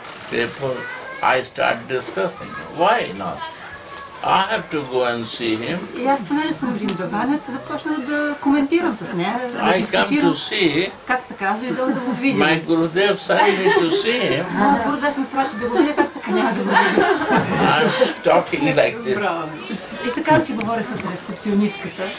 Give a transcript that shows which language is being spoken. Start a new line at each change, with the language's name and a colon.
English: Therefore I start discussing. Why not? I have to go and see him.
Bulgarian: И аз понеже съм римбабанец, започна да коментирам с нея, да дискутирам. Как така, аз дойдам да го видя.
English: My Gurudev sent me to see him.
Bulgarian: Моят Гурудев ме прати да го видя, как така няма да го видя.
English: I'm talking like this.
Bulgarian: И така си говоря с рецепционистката.